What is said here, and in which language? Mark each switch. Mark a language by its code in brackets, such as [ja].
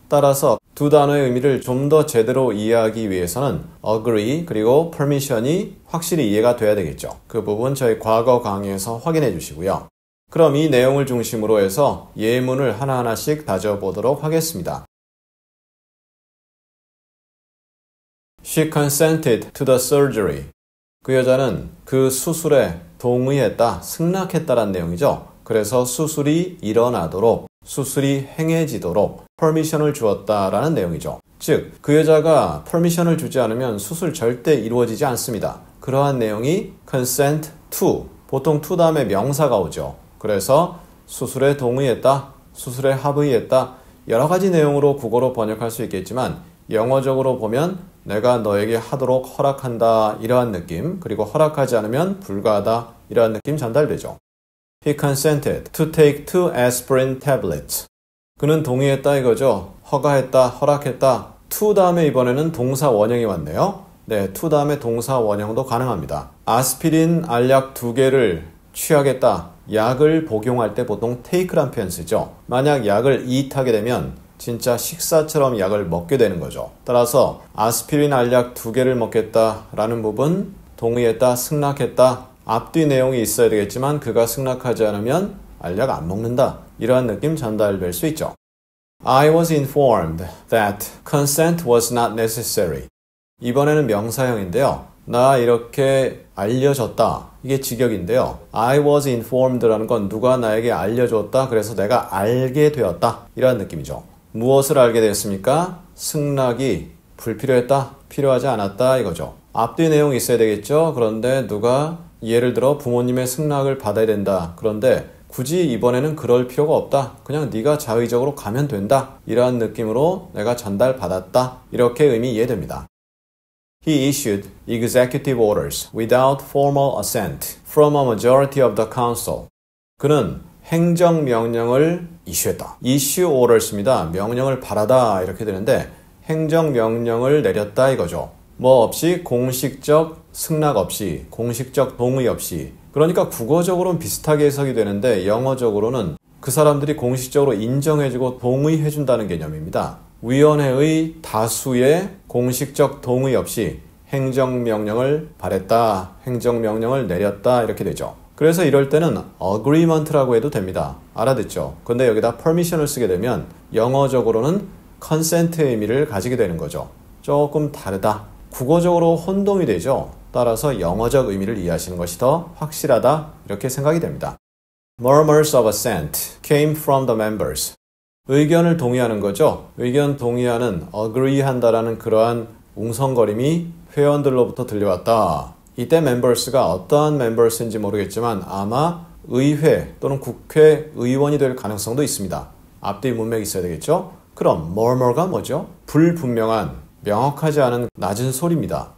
[ko] 따라서 두 단어의 의미를 좀 더 제대로 이해하기 위해서는 agree 그리고 permission이 확실히 이해가 돼야 되겠죠. 그 부분 저희 과거 강의에서 확인해 주시고요. 그럼 이 내용을 중심으로 해서 예문을 하나하나씩 다져보도록 하겠습니다. [en] She consented to the surgery. [ko] 그 여자는 그 수술에 동의했다, 승낙했다라는 내용이죠. 그래서 수술이 일어나도록, 수술이 행해지도록 퍼미션을 주었다라는 내용이죠. 즉, 그 여자가 퍼미션을 주지 않으면 수술 절대 이루어지지 않습니다. 그러한 내용이 [en] consent to, [ko] 보통 to 다음에 명사가 오죠. 그래서 수술에 동의했다, 수술에 합의했다, 여러 가지 내용으로 국어로 번역할 수 있겠지만 영어적으로 보면 내가 너에게 하도록 허락한다 이러한 느낌, 그리고 허락하지 않으면 불가하다 이러한 느낌 전달되죠. [en] He consented to take 2 aspirin tablets. [ko] 그는 동의했다 이거죠. 허가했다, 허락했다. to 다음에 이번에는 동사 원형이 왔네요. 네, to 다음에 동사 원형도 가능합니다. 아스피린 알약 두 개를 취하겠다. 약을 복용할 때 보통 take란 표현 쓰죠. 만약 약을 eat 하게 되면 진짜 식사처럼 약을 먹게 되는 거죠. 따라서 아스피린 알약 두 개를 먹겠다라는 부분 동의했다, 승낙했다. 앞뒤 내용이 있어야 되겠지만 그가 승낙하지 않으면 알약 안 먹는다. 이러한 느낌 전달될 수 있죠. [en] I was informed that consent was not necessary. [ko] 이번에는 명사형인데요. 나 이렇게 알려졌다. 이게 직역인데요. [en] I was informed [ko] 라는 건 누가 나에게 알려줬다. 그래서 내가 알게 되었다. 이러한 느낌이죠. 무엇을 알게 되었습니까? 승낙이 불필요했다. 필요하지 않았다. 이거죠. 앞뒤 내용이 있어야 되겠죠. 그런데 누가 예를 들어 부모님의 승낙을 받아야 된다. 그런데 굳이 이번에는 그럴 필요가 없다. 그냥 네가 자의적으로 가면 된다. 이러한 느낌으로 내가 전달받았다. 이렇게 의미 이해됩니다. [en] He issued executive orders without formal assent from a majority of the council. [ko] 그는 행정명령을 이슈했다. [en] Issue orders [ko] 입니다. 명령을 발하다 이렇게 되는데 행정명령을 내렸다 이거죠. 뭐 없이 공식적 승낙 없이 공식적 동의 없이 그러니까 국어적으로는 비슷하게 해석이 되는데 영어적으로는 그 사람들이 공식적으로 인정해주고 동의해준다는 개념입니다. 위원회의 다수의 공식적 동의 없이 행정명령을 발했다, 행정명령을 내렸다 이렇게 되죠. 그래서 이럴 때는 agreement라고 해도 됩니다. 알아듣죠? 근데 여기다 permission을 쓰게 되면 영어적으로는 consent의 의미를 가지게 되는 거죠. 조금 다르다. 국어적으로 혼동이 되죠. 따라서 영어적 의미를 이해하시는 것이 더 확실하다 이렇게 생각이 됩니다. [en] Murmurs of assent came from the members. [ko] 의견을 동의하는 거죠. 의견 동의하는 agree한다라는 그러한 웅성거림이 회원들로부터 들려왔다. 이때 members가 어떠한 members인지 모르겠지만 아마 의회 또는 국회 의원이 될 가능성도 있습니다. 앞뒤 문맥이 있어야 되겠죠. 그럼 murmur가 뭐죠? 불분명한 명확하지 않은 낮은 소리입니다.